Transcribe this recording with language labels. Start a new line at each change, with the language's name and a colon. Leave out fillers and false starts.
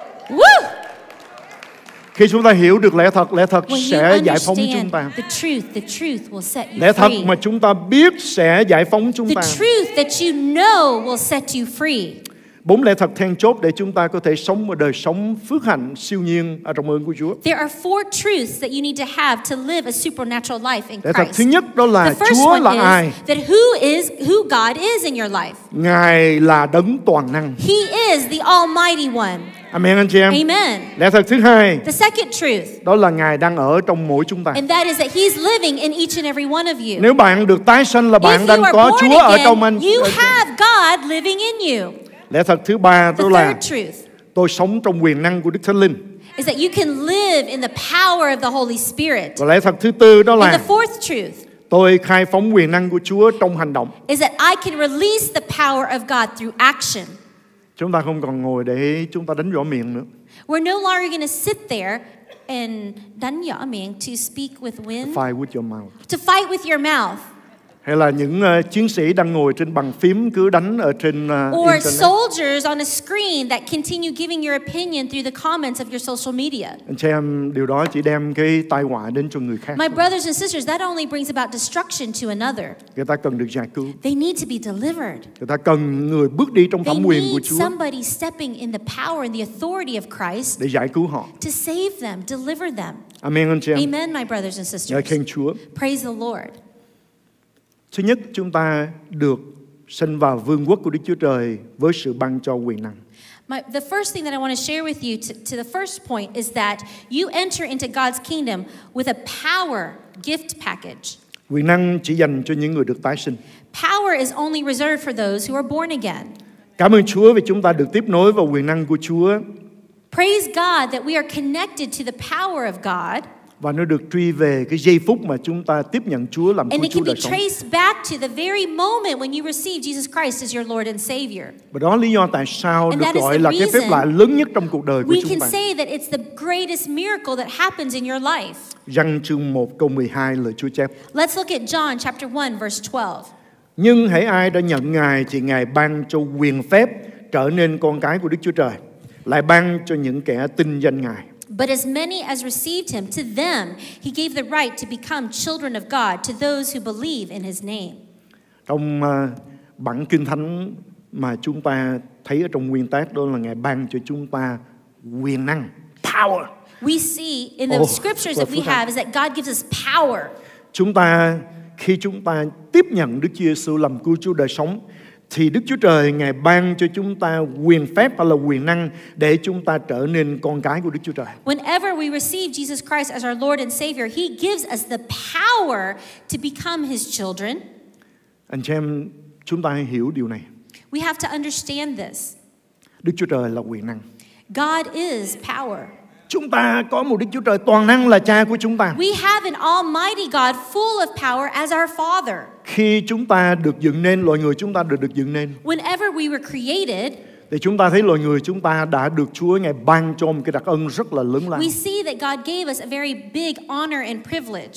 Vietnamese: Woo! Khi chúng ta hiểu được lẽ thật sẽ giải phóng chúng ta.
English: The truth will set you free.
Vietnamese: Lẽ thật mà chúng ta biết sẽ giải phóng chúng ta.
English: The truth that you know will set you free.
Vietnamese: Bốn lẽ thật then chốt để chúng ta có thể sống một đời sống phước hạnh siêu nhiên ở trong ơn của Chúa.
English: There are four truths that you need to have to live a supernatural life in Christ.
Vietnamese: Lẽ thật thứ nhất đó là Chúa là ai?
English: That who God is in your life.
Vietnamese: Ngài là đấng toàn năng.
English: He is the Almighty One.
Vietnamese: Amen, anh chị em.
English: Amen.
Vietnamese: Lẽ thật thứ hai.
English: The second truth.
Vietnamese: Đó là Ngài đang ở trong mỗi chúng ta.
English: And that is that He's living in each and every one of you.
Vietnamese: Nếu bạn được tái sinh là bạn đang có Chúa ở trong anh.
English: You have God living in you.
Vietnamese: Lẽ thật thứ ba đó là tôi sống trong quyền năng của Đức Thánh Linh.
English: Is that you can live in the power of the Holy Spirit.
Vietnamese: Và lẽ thật thứ tư đó là
English: and the fourth truth,
Vietnamese: tôi khai phóng quyền năng của Chúa trong hành động.
English: Is that I can release the power of God through action.
Vietnamese: Chúng ta không còn ngồi để chúng ta đánh võ miệng nữa.
English: We're no longer going to sit there and
Vietnamese: đánh võ miệng
English: to speak with wind. To fight with your mouth. To fight with your mouth.
Vietnamese: Hay là những chiến sĩ đang ngồi trên bàn phím cứ đánh ở trên
English: or soldiers on a screen that continue giving your opinion through the comments of your social media.
Vietnamese: Anh chị em, điều đó chỉ đem cái tai họa đến cho người khác.
English: My brothers and sisters, that only brings about destruction to another.
Vietnamese: Người ta cần được giải cứu.
English: They need to be delivered.
Vietnamese: Người ta cần người bước đi trong thẩm quyền của Chúa.
English: Somebody stepping in the power and the authority of Christ.
Vietnamese: Để giải cứu họ.
English: To save them, deliver them.
Vietnamese: Amen, anh chị em.
English: Amen, my brothers and sisters.
Vietnamese: Ngợi khen Chúa.
English: Praise the Lord.
Vietnamese: Thứ nhất, chúng ta được sinh vào vương quốc của Đức Chúa Trời với sự ban cho quyền năng.
English: The first thing that I want to share with you to the first point is that you enter into God's kingdom with a power gift package.
Vietnamese: Quyền năng chỉ dành cho những người được tái sinh.
English: Power is only reserved for those who are born again.
Vietnamese: Cảm ơn Chúa vì chúng ta được tiếp nối vào quyền năng của Chúa.
English: Praise God that we are connected to the power of God.
Vietnamese: và nó được truy về cái giây phút mà chúng ta tiếp nhận Chúa làm
English: and
Vietnamese: Chúa
English: it can be traced back to the very moment when you receive Jesus Christ as your Lord and Savior.
Vietnamese: Và đó là lý do tại sao được gọi là cái phép lạ lớn nhất trong cuộc đời của chúng ta.
English: We can say that it's the greatest miracle that happens in your life.
Vietnamese: Giăng chương 1 câu 12 lời Chúa chép.
English: Let's look at John chapter 1 verse 12.
Vietnamese: Nhưng hãy ai đã nhận Ngài thì Ngài ban cho quyền phép trở nên con cái của Đức Chúa Trời, lại ban cho những kẻ tin danh Ngài.
English: But as many as received him, to them he gave the right to become children of God, to those who believe in his name.
Vietnamese: Trong bản Kinh Thánh mà chúng ta thấy ở trong nguyên tác đó là Ngài ban cho chúng ta quyền năng, power.
English: We see in the scriptures that we have is that God gives us power.
Vietnamese: Chúng ta khi chúng ta tiếp nhận Đức Chúa Giêsu làm cứu Chúa đời sống thì Đức Chúa Trời Ngài ban cho chúng ta quyền phép và là quyền năng để chúng ta trở nên con cái của Đức Chúa Trời.
English: Whenever we receive Jesus Christ as our Lord and Savior, he gives us the power to become his children.
Vietnamese: Anh chị em, chúng ta hiểu điều này.
English: We have to understand this.
Vietnamese: Đức Chúa Trời là quyền năng.
English: God is power.
Vietnamese: Chúng ta có một Đức Chúa Trời toàn năng là cha của chúng ta.
English: We have an almighty God full of power as our father.
Vietnamese: Khi chúng ta được dựng nên, loài người chúng ta được dựng nên.
English: Whenever we were created,
Vietnamese: thì chúng ta thấy loài người chúng ta đã được Chúa Ngài ban cho một cái đặc ân rất là lớn lao.
English: We see that God gave us a very big honor and privilege.